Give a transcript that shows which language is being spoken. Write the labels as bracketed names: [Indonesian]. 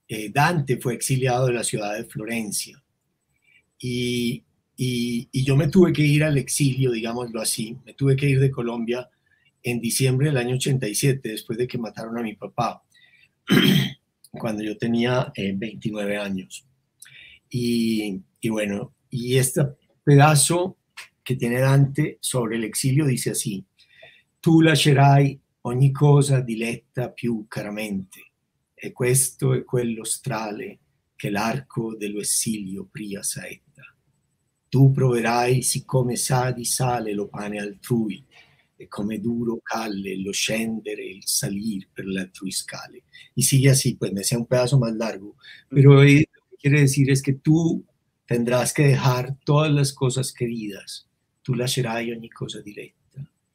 [Spanish] Dante fue exiliado de la ciudad de Florencia y yo me tuve que ir al exilio, digámoslo así, me tuve que ir de Colombia en diciembre del año 87, después de que mataron a mi papá, cuando yo tenía 29 años. Y bueno, y este pedazo que tiene Dante sobre el exilio, dice así: [Italian] Tu lascerai ogni cosa diletta più caramente, e questo è quello strale che l'arco dello esilio pria saetta. Tu proverai, siccome sa di sale lo pane altrui, e come duro calle lo scendere e il salir per le altrui scale. [Spanish] Y sigue así, pues me sea un pedazo más largo, pero lo que quiere decir es que tú tendrás que dejar todas las cosas queridas. Tú la serás [Italian] ogni cosa diletta.